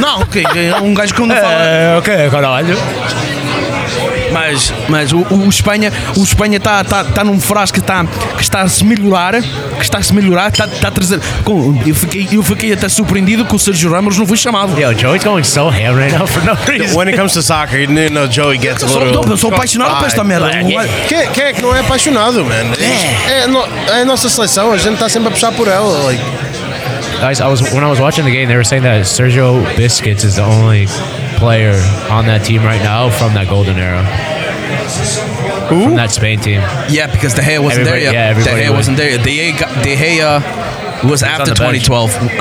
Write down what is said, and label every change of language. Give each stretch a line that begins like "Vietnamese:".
Portuguese: Não, ok, é um gajo que não fala. Ok, agora. Mas o Espanha tá num frasco que está a se melhorar, tá a trazer. Eu fiquei até surpreendido que o Sérgio Ramos não foi chamado.
English: Yeah, Joey's going so ham right now for no reason. When it comes to soccer, you know Joey gets a little.
Portuguese: Sou apaixonado por esta merda. Quem é que não é apaixonado, man? É a nossa seleção, a gente está sempre a puxar por ela.
English: When I was watching the game, they were saying that Sergio Busquets is the only player on that team right now from that golden era. Who? From that Spain team. Yeah, because De Gea wasn't everybody there yet. Yeah, De Gea wasn't there. De Gea was after 2012. Bench.